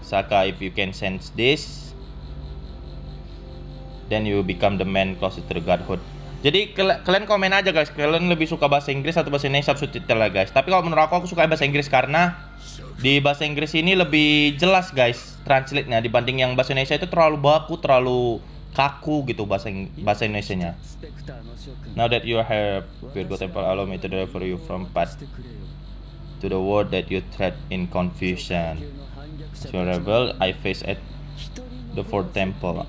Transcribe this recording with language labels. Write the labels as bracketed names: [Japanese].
[English] Saga, if you can sense this, then you become the man closest to the godhood. [Indonesian] Jadi kalian komen aja guys, kalian lebih suka bahasa Inggris atau bahasa Indonesia subtitle lah guys. Tapi kalau menurut aku suka bahasa Inggris karena di bahasa Inggris ini lebih jelas guys translate-nya dibanding yang bahasa Indonesia itu terlalu baku, terlalu kaku gitu bahasa Indonesianya. [English] Now that you have Virgo Temple, allow me to deliver you from past to the world that you tread in confusion. To rebel, I face at the fourth temple.